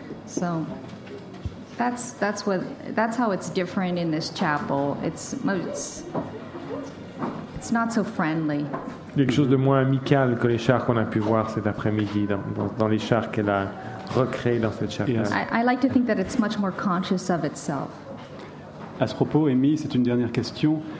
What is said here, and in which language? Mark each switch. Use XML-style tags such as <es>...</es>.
<en>So that's how it's different in this chapel. It's not so friendly.</en> <fr>Il y a quelque chose de moins amical que les chars qu'on a pu voir cet après-midi dans les chars qu'elle a recréés dans cette chapelle.</fr> <en>I like to think that it's much more conscious of itself.</en> <fr>À ce propos, Amy, c'est une dernière question.</fr>